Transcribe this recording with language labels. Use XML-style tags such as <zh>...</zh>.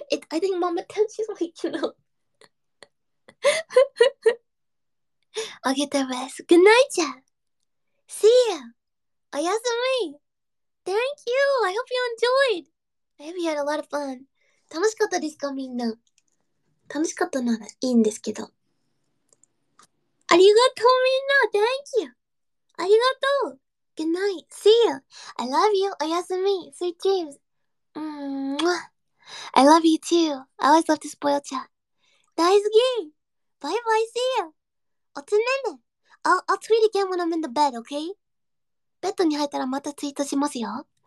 <en>I think Mama tells she's awake, you know. I'll get the rest. Good night, chat. See you.</en> <ja>Oyasumi.</ja> <en>Thank you. I hope you enjoyed. I hope you had a lot of fun.</en> <ja>楽しかったですか、みんな。楽しかったならいいんですけど。ありがとう、みんな。</ja> <en>Thank you.</en> <ja>ありがとう。</ja> <en>Good night. See you. I love you.</en> <ja>おやすみ。</ja> <en>Sweet dreams. I love you too. I always love to spoil chat.</en> <ja>大好き。</ja> <en>Bye bye. See you.</en> <ja>おつねね。</ja> <en>I'll tweet again when I'm in the bed, okay?</en> <ja>ベッドに入ったらまたツイートしますよ。</ja>